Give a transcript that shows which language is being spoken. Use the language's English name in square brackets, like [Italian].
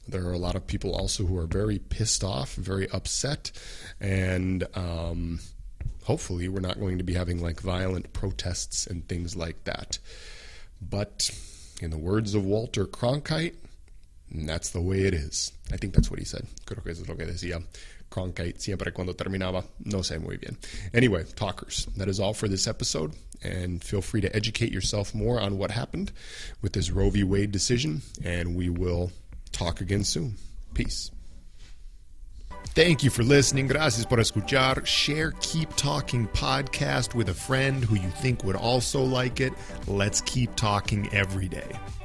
[English] There are a lot of people also who are very pissed off, very upset. And hopefully we're not going to be having like violent protests and things like that. But in the words of Walter Cronkite, that's the way it is. I think that's what he said. [Spanish] Creo que eso es lo que decía Cronkite siempre cuando terminaba. No sé muy bien. [English] Anyway, talkers, that is all for this episode. And feel free to educate yourself more on what happened with this Roe v. Wade decision. And we will talk again soon. Peace. Thank you for listening. [Spanish] Gracias por escuchar. [English] Share Keep Talking podcast with a friend who you think would also like it. Let's keep talking every day.